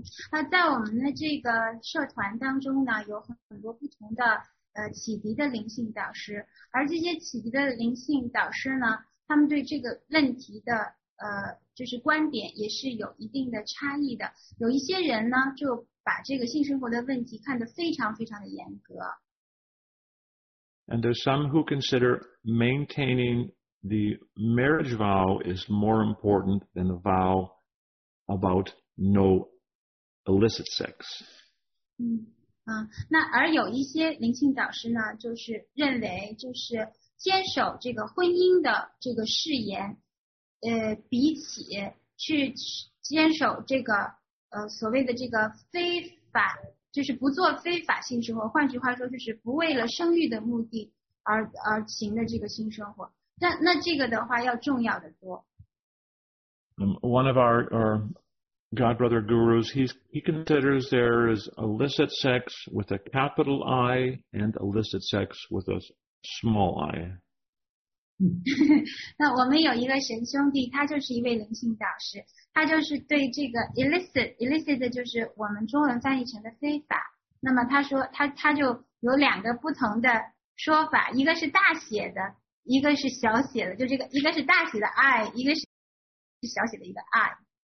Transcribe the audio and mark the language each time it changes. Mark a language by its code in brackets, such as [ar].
[zh] 那在我们的这个社团当中呢，有很多不同的启迪的灵性导师，而这些启迪的灵性导师呢，他们对这个问题的就是观点也是有一定的差异的。有一些人呢，就把这个性生活的问题看得非常非常的严格。 [en] And there's some who consider maintaining the marriage vow is more important than the vow about no illicit sex. [zh] 那而有一些灵性导师呢，就是认为就是坚守这个婚姻的这个誓言，比起去坚守这个所谓的这个非法，就是不做非法性生活，换句话说就是不为了生育的目的而行的这个性生活，那这个的话要重要的多。 [en] One of our godbrother gurus, he considers there is illicit sex with a capital I and illicit sex with a small I. [zh] 那我们有一个神兄弟，他就是一位灵性导师，他就是对这个 illicit 就是我们中文翻译成的非法。那么他说他就有两个不同的说法，一个是大写的，一个是小写的，就这个一个是大写的 I， 一个是小写的一个 I。